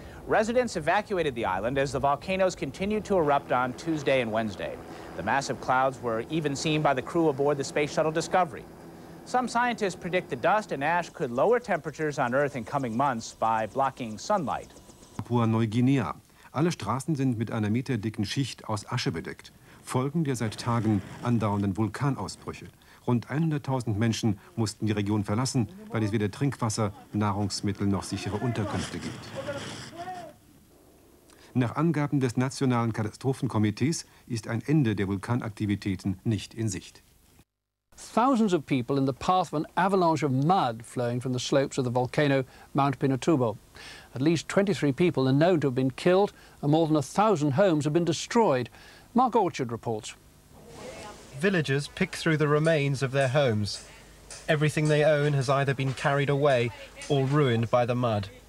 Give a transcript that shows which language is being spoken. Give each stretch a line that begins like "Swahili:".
English: Residents evacuated the island as the volcanoes continued to erupt on Tuesday and Wednesday. The massive clouds were even seen by the crew aboard the Space Shuttle Discovery. Some scientists predict the dust and ash could lower temperatures on Earth in coming months by blocking sunlight.
German: Papua Neuguinea. Alle Straßen sind mit einer meterdicken Schicht aus Asche bedeckt. Folgen der seit Tagen andauernden Vulkanausbrüche. Rund 100.000 Menschen mussten die Region verlassen, weil es weder Trinkwasser, Nahrungsmittel noch sichere Unterkünfte gibt. Nach Angaben des Nationalen Katastrophenkomitees ist ein Ende der Vulkanaktivitäten nicht in Sicht.
English: Thousands of people in the path of an avalanche of mud flowing from the slopes of the volcano Mount Pinatubo. At least 23 people are known to have been killed, and more than 1,000 homes have been destroyed. Mark Orchard reports. Villagers pick through the remains of their homes. Everything they own has either been carried away or ruined by the mud.